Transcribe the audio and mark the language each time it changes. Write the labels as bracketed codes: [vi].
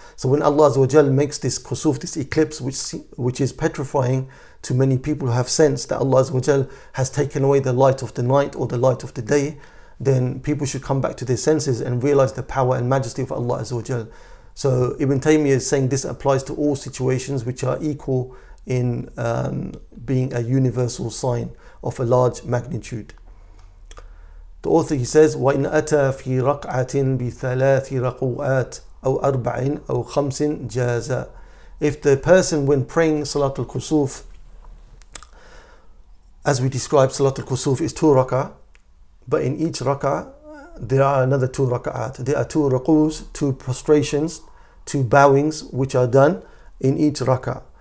[en] So when Allah Azza wa Jal makes this kusuf, this eclipse, which is petrifying to many people who have sensed that Allah Azza wa Jal has taken away the light of the night or the light of the day, then people should come back to their senses and realize the power and majesty of Allah Azza wa Jal. So Ibn Taymiyyah is saying this applies to all situations which are equal in being a universal sign of a large magnitude. [ar] The author, he says, وَإِنْ أَتَى فِي رَقْعَةٍ بِثَلَاثِ رَقُوَاتٍ أَوْ أَرْبَعٍ أَوْ خَمْسٍ جَازَ. [en] If the person, when praying Salat al-Kusuf, as we described, Salat al-Kusuf is two rak'ah, but in each rak'ah there are another two rak'ahs. There are two ruku's, two prostrations, two bowings, which are done in each rak'ah.